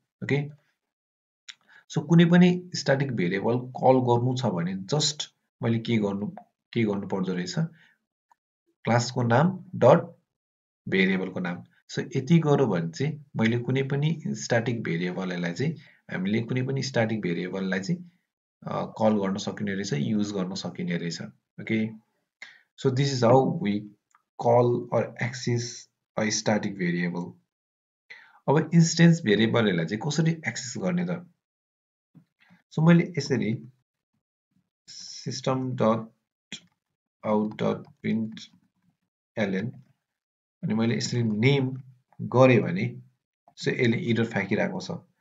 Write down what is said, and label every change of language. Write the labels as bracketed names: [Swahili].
[Nepali] Okay so कुनै पनि static variable call गर्नु छ भने जस्ट मैले के गर्नु पर्दो रहेछ, क्लासको नाम डट भेरिएबलको नाम। सो यति गर्यो भने चाहिँ मैले कुनै पनि स्टैटिक भेरिएबललाई चाहिँ हामीले कुनै पनि स्टैटिक भेरिएबललाई चाहिँ कल गर्न सकिने रहेछ, युज गर्न सकिने रहेछ। [English] Okay so this is how we call or access a static variable. [Nepali] अब इन्स्टेन्स भेरिएबलहरूलाई चाहिँ कसरी एक्सेस गर्ने त, सो मैले यसरी system dot out dot print LN अनि मैले यसरी नेम गरेँ भने, सो यसले इरर फ्याँकिरहेको छ।